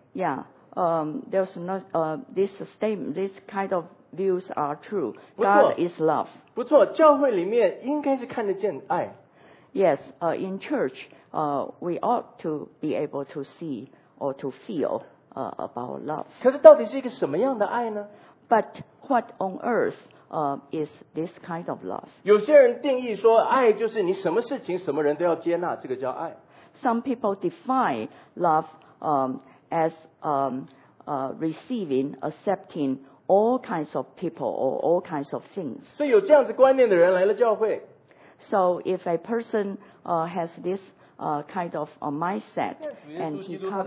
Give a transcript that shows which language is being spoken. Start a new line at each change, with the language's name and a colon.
English: Yeah, there's not this statement. This kind of views are true. God is love.
Chinese: 不错，教会里面应该是看得见爱。
English: Yes, in church, we ought to be able to see or to feel about love.
Chinese: 可是到底是一个什么样的爱呢？
English: But what on earth, is this kind of love?
Chinese: 有些人定义说，爱就是你什么事情、什么人都要接纳，这个叫爱。
English: Some people define love, as receiving, accepting all kinds of people or all kinds of things.
Chinese: 所以有这样子观念的人来了教会。
English: So if a person, has this, kind of a mindset, and he comes to the church.